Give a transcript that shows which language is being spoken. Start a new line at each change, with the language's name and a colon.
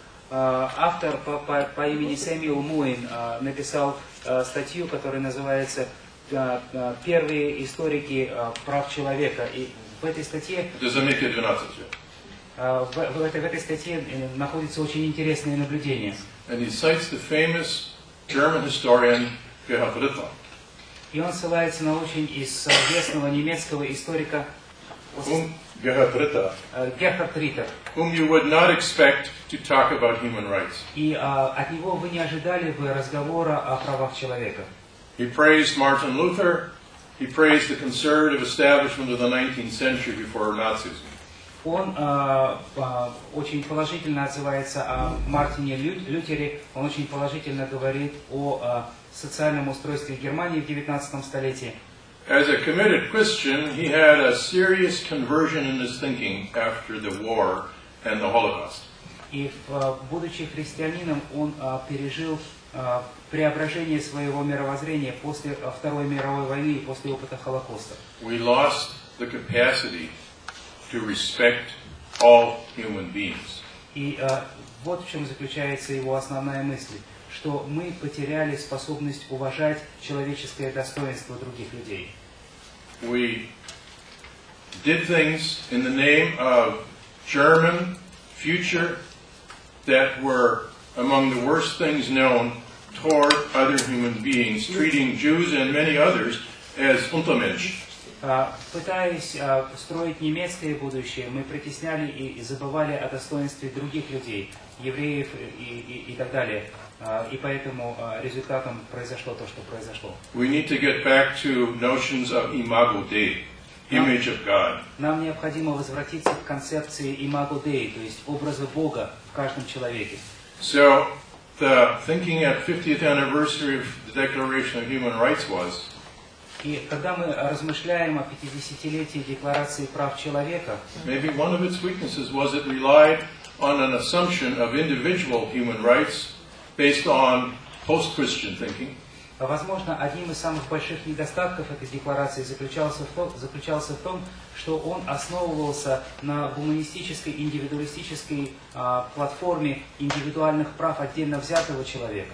Russian: Автор по имени Сэмюэл Моин написал статью, которая называется «Первые историки прав человека». И в этой статье... В этой статье находится очень интересное наблюдение.
English: And he cites the famous German historian Gerhard Ritter.
Russian: И он ссылается на очень известного немецкого историка
English: Gerhard Ritter, whom you would not expect to talk about human rights.
Russian: И от него вы не ожидали бы разговора о правах человека.
English: He praised Martin Luther. He praised the conservative establishment of the 19th century before Nazism.
Russian: Он очень положительно отзывается о Мартине Лютере. Он очень положительно говорит о социальном устройстве Германии в 19 столетии.
English: As a committed Christian, he had a serious conversion in his thinking after the war and the Holocaust.
Russian: И будучи христианином, он пережил преображение своего мировоззрения после Второй мировой войны и после опыта Холокоста.
English: We lost the capacity to respect all human beings.
Russian: И вот в чем заключается его основная мысль, что мы потеряли способность уважать человеческое достоинство других людей.
English: We did things in the name of German future that were among the worst things known toward other human beings, treating Jews and many others as Untermensch.
Russian: Пытаясь строить немецкое будущее, мы притесняли и забывали о достоинстве других людей, евреев и так далее. И поэтому результатом произошло то, что произошло.
English: We need to get back to notions of imago Dei, image of God.
Russian: Нам необходимо возвратиться к концепции imago Dei, то есть образа Бога в каждом человеке.
English: So, the thinking at 50th anniversary of the Declaration of Human Rights was...
Russian: И когда мы размышляем о 50-летии Декларации прав человека,
English: maybe one of its weaknesses was it relied on an assumption of individual human rights based on post-Christian thinking.
Russian: Возможно, одним из самых больших недостатков этой декларации заключался в том, что он основывался на гуманистической, индивидуалистической платформе индивидуальных прав отдельно взятого человека.